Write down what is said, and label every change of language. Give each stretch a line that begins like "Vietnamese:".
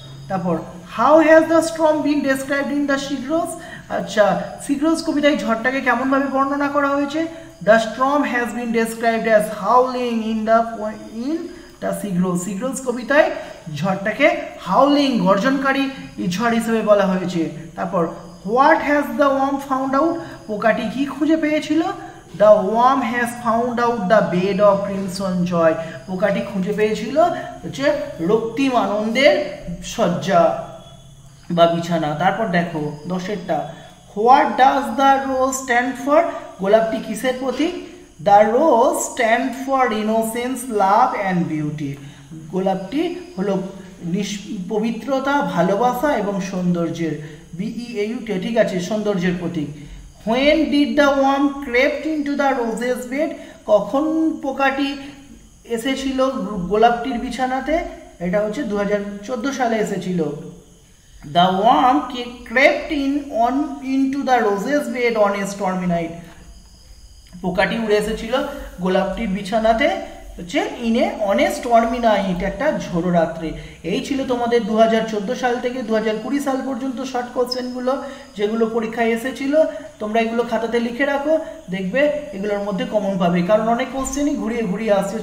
English: তারপর how has the storm been described in the sick rose,
Bangla: আচ্ছা সিগ্রোস কবিতায় ঝড়টাকে কেমনভাবে বর্ণনা করা হয়েছে।
English: the storm has been described as howling in the sick rose,
Bangla: সিগ্রোস কবিতায় ঝড়টাকে হাউলিং, গর্জনকারী ঝড় হিসেবে বলা হয়েছে।
English: তারপর what has the worm found out,
Bangla: পোকাটি কী খুঁজে পেয়েছিল,
English: The worm has found out the bed of crimson joy.
Bangla: পোকাটি খুঁজে পেয়েছিল হচ্ছে রক্তিম আনন্দের শয্যা বা বিছানা। তারপর দেখো দশেরটা,
English: what does the rose stand for,
Bangla: গোলাপটি কিসের প্রতীক?
English: the rose stand for innocence love and beauty,
Bangla: গোলাপটি হলো পবিত্রতা ভালোবাসা এবং সৌন্দর্যের, বিইউটি ঠিক আছে সৌন্দর্যের প্রতীক।
English: When did the worm crept into the roses bed?
Bangla: কখন পোকাটি এসেছিল গোলাপটির বিছানাতে? এটা হচ্ছে 2014 সালে এসেছিল।
English: The worm crept in on into the roses bed on a stormy night.
Bangla: পোকাটি উড়ে এসেছিল গোলাপটির বিছানাতে হচ্ছে ইনে
English: on a stormy night,
Bangla: একটা ঝোড়ো রাত্রে। এই ছিল তোমাদের 2014 সাল থেকে 2020 সাল পর্যন্ত শর্ট কোশ্চেনগুলো যেগুলো পরীক্ষায় এসেছিল। তোমরা এগুলো খাতাতে লিখে রাখো, দেখবে এগুলোর মধ্যে কমন পাবে, কারণ অনেক কোশ্চেনই ঘুরিয়ে ঘুরিয়ে আসছে।